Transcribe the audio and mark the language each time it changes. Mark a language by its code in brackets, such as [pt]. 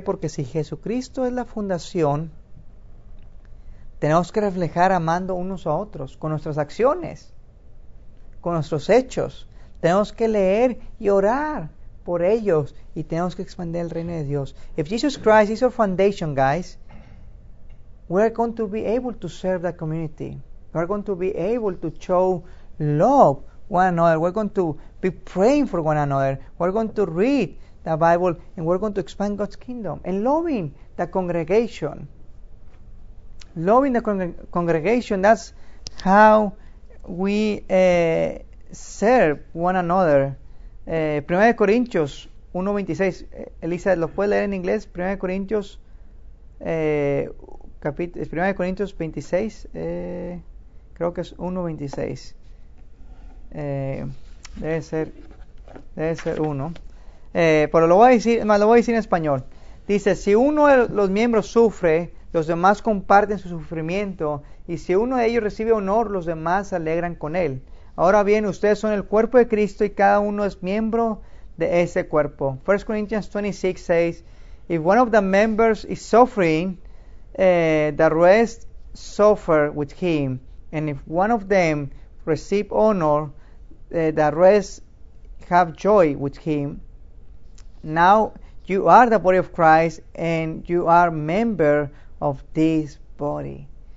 [es] Porque si Jesucristo es la fundación, tenemos que reflejar amando unos a otros, con nuestras acciones, con nuestros hechos. Tenemos que leer y orar por ellos y tenemos que expandir el reino de Dios. [en] If Jesus Christ is our foundation, guys, we are going to be able to serve the community. We are going to be able to show love one another. We're going to be praying for one another. We're going to read the Bible and we're going to expand God's kingdom. And loving the congregation. Loving the congregation, that's how we serve one another. [es] 1 Corintios 1:26. Elisa, ¿lo puedes leer en inglés? 1 Corintios 26. Creo que es 1:26. Debe ser uno, pero lo voy a decir en español. Dice, si uno de los miembros sufre, los demás comparten su sufrimiento, y si uno de ellos recibe honor, los demás se alegran con él. Ahora bien, ustedes son el cuerpo de Cristo y cada uno es miembro de ese cuerpo. [en] 1 Corinthians 26 says, if one of the members is suffering, the rest suffer with him. And if one of them receive honor, the rest have joy with him. Now you are the body of Christ and you are member of this body.